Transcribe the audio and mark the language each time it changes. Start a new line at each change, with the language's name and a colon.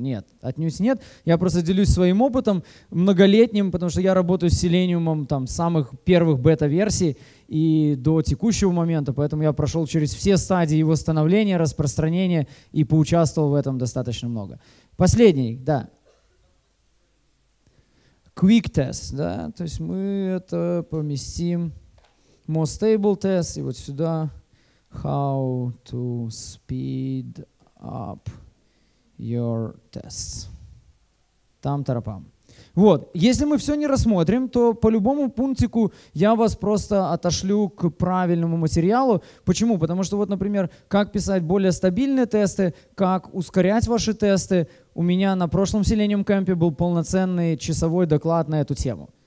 Russian: Нет, отнюдь нет. Я просто делюсь своим опытом многолетним, потому что я работаю с Selenium там самых первых бета-версий и до текущего момента, поэтому я прошел через все стадии его становления, распространения и поучаствовал в этом достаточно много. Последний, да.
English: Quick test,
Russian: да, то есть мы это поместим.
English: Most stable test,
Russian: и вот сюда.
English: How to speed up your tests. Там-тарапам.
Russian: Вот, если мы все не рассмотрим, то по любому пунктику я вас просто отошлю к правильному материалу. Почему? Потому что вот, например, как писать более стабильные тесты, как ускорять ваши тесты. У меня на прошлом Selenium Camp был полноценный часовой доклад на эту тему.